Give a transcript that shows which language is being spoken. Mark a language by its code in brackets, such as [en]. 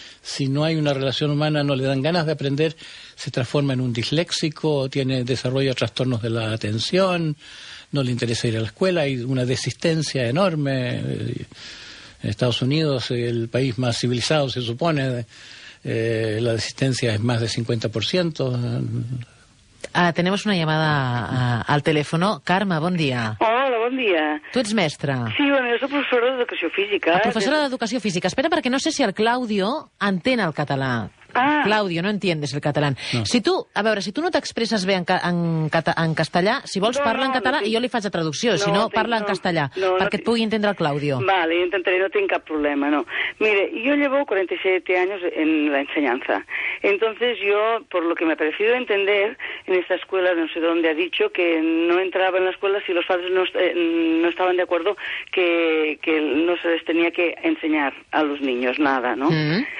[es] Si no hay una relación humana, no le dan ganas de aprender, se transforma en un disléxico, desarrolla trastornos de la atención, no le interesa ir a la escuela, hay una desistencia enorme. En Estados Unidos, el país más civilizado, se supone, la desistencia es más de 50%. Tenemos una llamada al teléfono. [ca] Carme, bon dia. Hola, bon dia. Tu ets mestra. Sí, bueno, jo soc professora d'Educació Física. Professora d'Educació Física. Espera, perquè no sé si el Claudio entén el català. Claudio, [es] no entiendes el català. [ca] No. Si tu no t'expresses bé en castellà, si vols parla en català i jo li faig la traducció. No, si no, parla en castellà, perquè et pugui entendre el Claudio. Vale, intentaré, no tinc cap problema, no. [es] Mire, yo llevo 47 años en la enseñanza. Entonces yo, por lo que me ha parecido entender, en esta escuela, no sé dónde ha dicho, que no entraba en la escuela si los padres no estaban de acuerdo que no se les tenía que enseñar a los niños nada, ¿no? Mm-hmm.